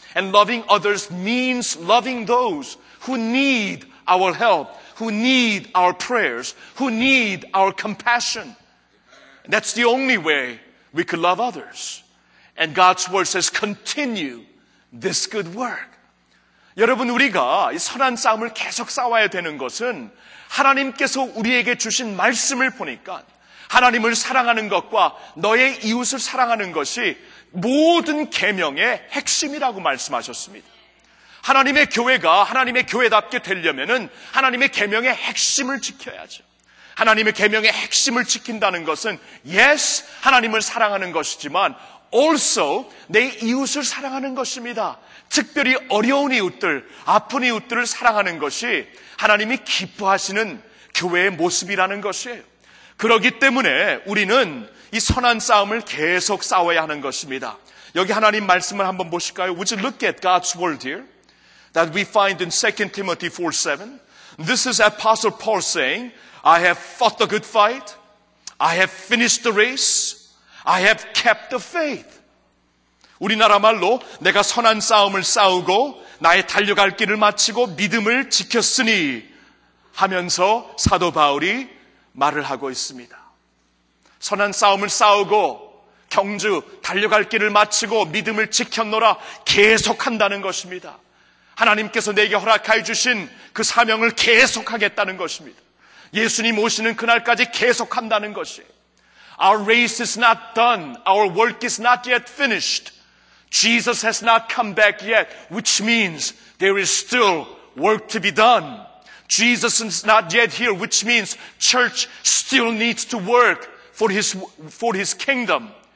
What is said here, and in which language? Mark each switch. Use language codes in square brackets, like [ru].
[en] And loving others means loving those who need our help, who need our prayers, who need our compassion. That's the only way we could love others. And God's word says, continue this good work. [ko] 여러분, 우리가 이 선한 싸움을 계속 싸워야 되는 것은 하나님께서 우리에게 주신 말씀을 보니까 하나님을 사랑하는 것과 너의 이웃을 사랑하는 것이 모든 계명의 핵심이라고 말씀하셨습니다. 하나님의 교회가 하나님의 교회답게 되려면은 하나님의 계명의 핵심을 지켜야죠. 하나님의 계명의 핵심을 지킨다는 것은 yes, 하나님을 사랑하는 것이지만 also 내 이웃을 사랑하는 것입니다. 특별히 어려운 이웃들, 아픈 이웃들을 사랑하는 것이 하나님이 기뻐하시는 교회의 모습이라는 것이에요. 그러기 때문에 우리는 이 선한 싸움을 계속 싸워야 하는 것입니다. 여기 하나님 말씀을 한번 보실까요? [en] Would you look at God's word here? That we find in 2 Timothy 4:7. This is Apostle Paul saying, I have fought the good fight. I have finished the race. I have kept the faith. [ko] 우리나라 말로 내가 선한 싸움을 싸우고 나의 달려갈 길을 마치고 믿음을 지켰으니 하면서 사도 바울이 말을 하고 있습니다. 선한 싸움을 싸우고 경주 달려갈 길을 마치고 믿음을 지켰노라 계속한다는 것입니다. 하나님께서 내게 허락해 주신 그 사명을 계속하겠다는 것입니다. 예수님 오시는 그날까지 계속한다는 것이에요. [en] Our race is not done. Our work is not yet finished. Jesus has not come back yet, which means there is still work to be done. Jesus is not yet here, which means church still needs to work for his kingdom.